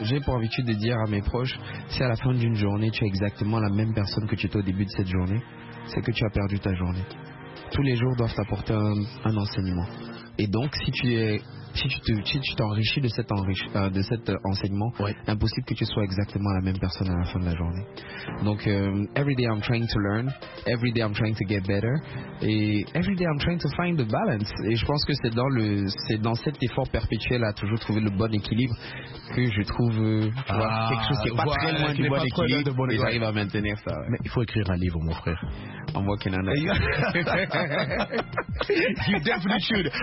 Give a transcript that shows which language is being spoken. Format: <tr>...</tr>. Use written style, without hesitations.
<fr>J'ai pour habitude de dire à mes proches, si à la fin d'une journée tu es exactement la même personne que tu étais au début de cette journée, c'est que tu as perdu ta journée. Tous les jours doivent t'apporter un enseignement. Et donc si tu t'enrichis de cet enseignement, ouais, impossible que tu sois exactement la même personne à la fin de la journée.</fr> <en>Donc every day I'm trying to learn, every day I'm trying to get better, et every day I'm trying to find the balance.</en> <fr>Et je pense que c'est dans cet effort perpétuel à toujours trouver le bon équilibre que je trouve quelque chose qui est pas très loin du bon équilibre. Et j'arrive à maintenir ça. Ouais. Mais il faut écrire un livre, mon frère. En moi qui en a.</fr> <en>You definitely should.</en>